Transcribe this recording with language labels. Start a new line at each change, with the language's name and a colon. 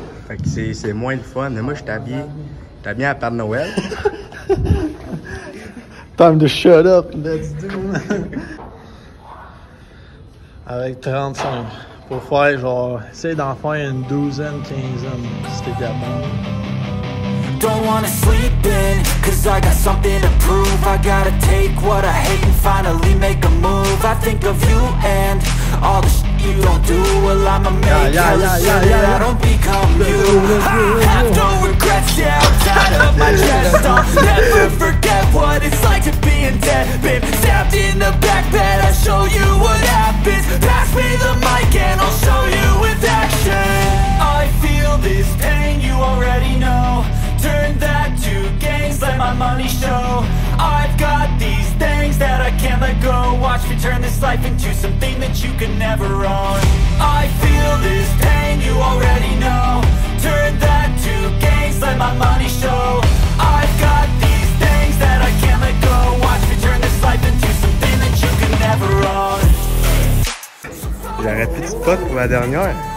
French: fait que c'est moins de fun. Mais moi, je t'habille à Père Noël.
English: Time to shut up. Let's do it.
French: Avec 35. Pour faire genre, essaye d'en faire une douzaine, quinzaine, si t'es capable.
English: Don't wanna sleep in, cause I got something to prove. I gotta take what I hate and finally make a move. I think of you and all the shit you don't do. Well, I'ma make yeah. I don't become you. I have no regrets, yeah, I'm tired of my chest. I'll never forget what it's like to be in debt, babe. Stabbed in the back bed, I'll show you what happens. Pass me the mic and I'll show you with action. I feel this pain, you already know. Turn that to gains, let my money show. I've got these things that I can't let go. Watch me turn this life into something that you can never own. I feel this pain, you already know. Turn that to gains, let my money show. I've got these things that I can't let go. Watch me turn this life into something that you can never own.
French: J'arrête plus de spot pour la dernière.